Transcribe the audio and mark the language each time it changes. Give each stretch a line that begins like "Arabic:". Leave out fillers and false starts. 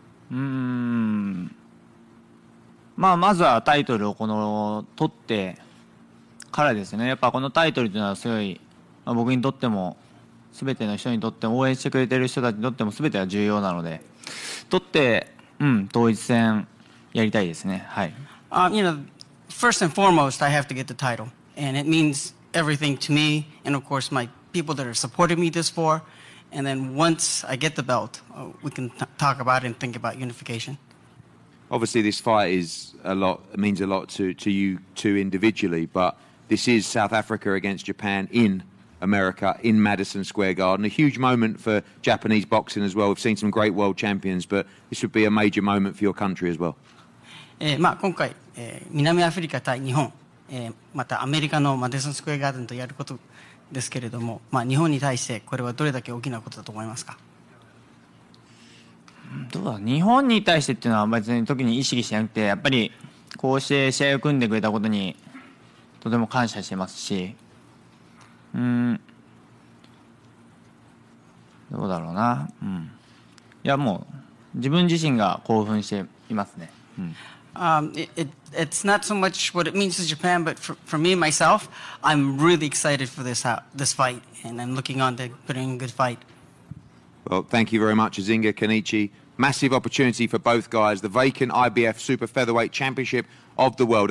Japanese: まあ、まずはタイトルをこの取ってからですね、やっぱこのタイトルというのはすごい、まあ、僕にとっても全ての人にとっても応援してくれている人たちにとっても全ては重要なので、取って、うん、統一戦やりたいですね。はい。
English: You know, first and foremost, I have to get the title. And it means everything to me and of course my people that are supporting me this far. And then once I get the belt, we can talk about it and think about unification. Obviously, this fight is a lot, means a lot to you two individually, but this is South Africa against Japan in America, in Madison Square Garden. A huge moment for Japanese boxing as well. We've seen some great world champions, but this would be a major moment for your country as well.
Japanese: まあ、今回、南アフリカ対日本、またアメリカのマディソンスクエアガーデンとやることですけれども、まあ、日本に対してこれはどれだけ大きなことだと思いますか？どうだ、日本に対してっていうのは別に特に意識してなくて、やっぱりこうして試合を組んでくれたことにとても感謝してますし、うん、どうだろうな、うん、いやもう自分自身が興奮していますね。
English: It's not so much what it means to Japan, but for me myself, I'm really excited for this fight, and I'm looking on to putting a good fight. Well, thank you very much, Azinga Kenichi. Massive opportunity for both guys. The vacant IBF Super Featherweight Championship of the world.